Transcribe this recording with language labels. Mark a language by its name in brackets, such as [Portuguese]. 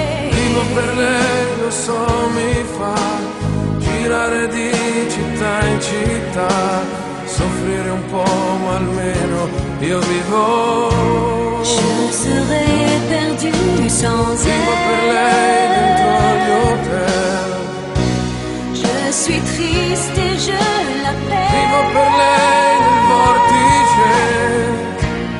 [Italian] Vivo per lei, lo so, mi fa girare di città in città, soffrire un po', ma almeno io vivo. [French] Je serai perdu sans elle. [Italian] Vivo per lei dentro gli hotel. [French] Je suis triste et je l'appelle. [Italian] Vivo per lei nel vortice.